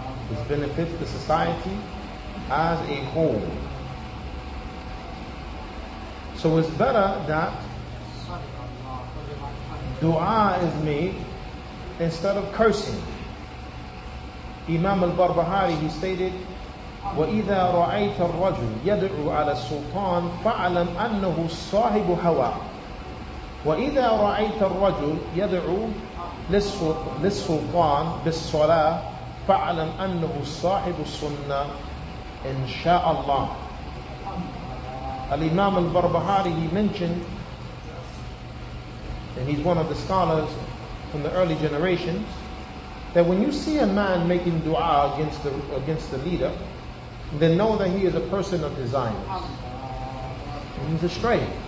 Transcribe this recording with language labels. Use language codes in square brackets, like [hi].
[en] This benefits the society as a whole. So it's better that dua is made instead of cursing. Imam al-Barbahari, he stated, [ar] وَإِذَا رَأَيْتَ الرَّجُلْ يَدْعُوا عَلَى السُّلْطَانِ فَعَلَمْ أَنَّهُ صَاحِبُ هَوَى وَإِذَا رَأَيْتَ الرَّجُلْ يَدْعُوا لِلسُّلْطَانِ بِالصَّلَاةِ فَعَلَمْ أَنَّهُ صَاحِبُ السُّنَّةِ إِنْ شَاءَ اللَّهِ. [en] Al-Imam al-Barbahari, he mentioned, and he's one of the scholars from the early generations, that when you see a man making dua against the leader, then know that he is a person of desires. He's astray.